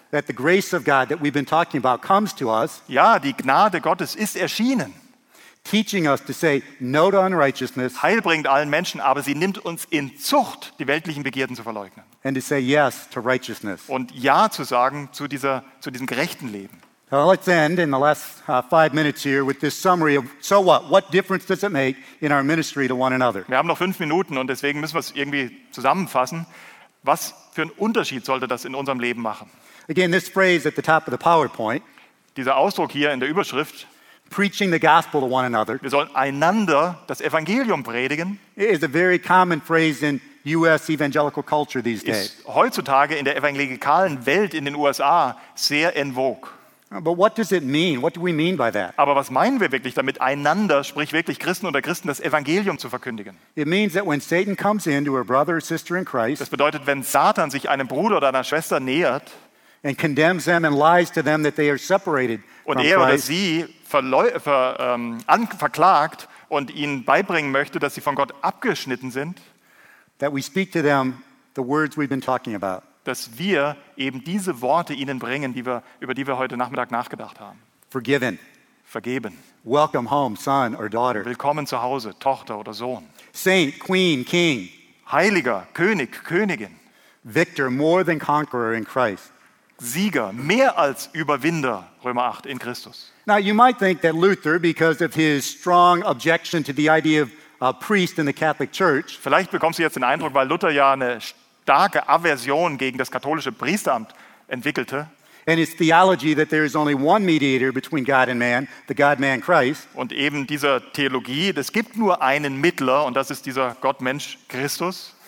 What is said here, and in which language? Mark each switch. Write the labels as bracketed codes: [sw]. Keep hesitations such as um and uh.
[en] God, about, us, [de] ja, die Gnade Gottes ist erschienen. [en] Teaching [de] no allen Menschen, aber sie nimmt uns in Zucht, die weltlichen Begierden zu verleugnen. [en] Yes [de] Und ja zu sagen zu dieser zu diesem gerechten Leben. [en] So let's end in the last uh, five minutes here with this summary of so what? What difference does it make in our ministry to one another? [de] Wir haben noch fünf Minuten und deswegen müssen wir es irgendwie zusammenfassen. Was für einen Unterschied sollte das in unserem Leben machen. [en] Again, this phrase at the top of the PowerPoint. [de] Dieser Ausdruck hier in der Überschrift. [en] Preaching the gospel to one another. [de] Wir sollen einander das Evangelium predigen. [en] Is a very common phrase in U.S. evangelical culture these days. [de] heutzutage in der evangelikalen Welt in den USA sehr en Aber was meinen wir wirklich damit einander, sprich wirklich Christen oder Christen das Evangelium zu verkündigen? [en] It means that when Satan comes in a brother or sister in Christ. [de] Das bedeutet, wenn Satan sich einem Bruder oder einer Schwester nähert [en] and condemns them and lies to them that they are separated [de] und er oder sie ver, um, verklagt und ihnen beibringen möchte, dass sie von Gott abgeschnitten sind, [en] that we speak to them the words we've been talking about [de] dass wir eben diese Worte ihnen bringen, die wir, über die wir heute Nachmittag nachgedacht haben. [en] Forgiven. [de] Vergeben. [en] Welcome home, son or daughter. [de] Willkommen zu Hause, Tochter oder Sohn. [en] Saint, Queen, King. [de] Heiliger, König, Königin. [en] Victor, more than conqueror in Christ. [de] Sieger, mehr als Überwinder, Römer 8, in Christus. [en] Now you might think that Luther, because of his strong objection to the idea of a priest in the Catholic Church. [de] Vielleicht bekommst du jetzt den Eindruck, weil Luther ja eine starke Aversion gegen das katholische Priesteramt entwickelte. [en] And his theology that there man, the God, man, Christ, [de] Und eben dieser Theologie, es gibt nur einen Mittler, und das ist dieser Gott-Mensch Christus.